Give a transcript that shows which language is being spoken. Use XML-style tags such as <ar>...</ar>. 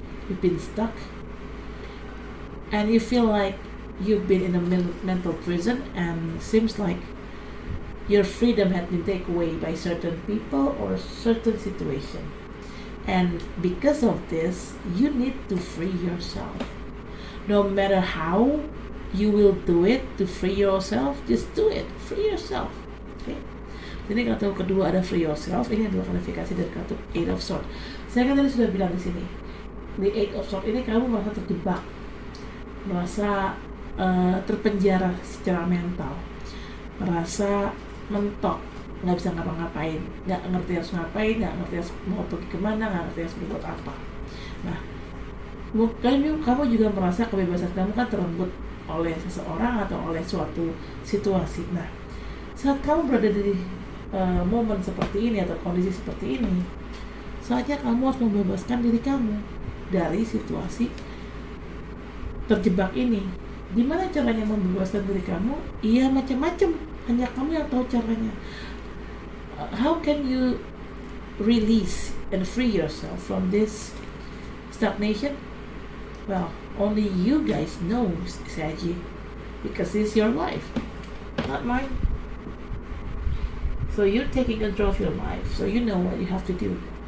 <en>You've been stuck, and you feel like you've been in a mental prison, and seems like your freedom has been taken away by certain people or certain situation. And because of this, you need to free yourself. No matter how you will do it to free yourself, just do it. Free yourself. Okay.</en> <id>Ini kartu kedua ada</id> <en>free yourself.</en> <id>Ini adalah klasifikasi dari kartu Eight of Swords. Saya kan tadi sudah bilang di sini. The Eight of Swords ini kamu merasa terjebak, merasa terpenjara secara mental, merasa mentok, nggak bisa ngapa-ngapain, nggak ngerti harus ngapain, nggak ngerti harus mau pergi kemana, nggak ngerti harus berbuat apa. Nah, mungkin kamu juga merasa kebebasan kamu kan terenggut oleh seseorang atau oleh suatu situasi. Nah, saat kamu berada di momen seperti ini atau kondisi seperti ini, saatnya kamu harus membebaskan diri kamu dari situasi terjebak ini. Gimana caranya membebaskan diri kamu? Iya, macam-macam. Hanya kamu yang tahu caranya.</id> <en>How can you release and free yourself from this stagnation? Well, only you guys know, Saji, because it's your life, not mine. So you're taking control of your life, so you know what you have to do.</en>